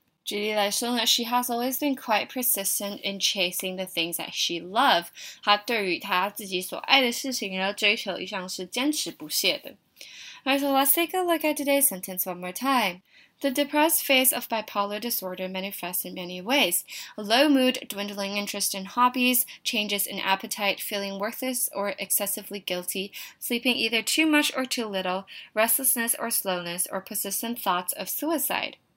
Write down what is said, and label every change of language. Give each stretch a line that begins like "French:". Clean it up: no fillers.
English: 举例来说呢，She has always been quite persistent in chasing the things that she loves.
Chinese: 她对于她自己所爱的事情，然后追求一向是坚持不懈的。
English: Alright, so let's take a look at today's sentence one more time. The depressed phase of bipolar disorder manifests in many ways. A low mood, dwindling interest in hobbies, changes in appetite, feeling worthless or excessively guilty, sleeping either too much or too little, restlessness or slowness, or persistent thoughts of suicide.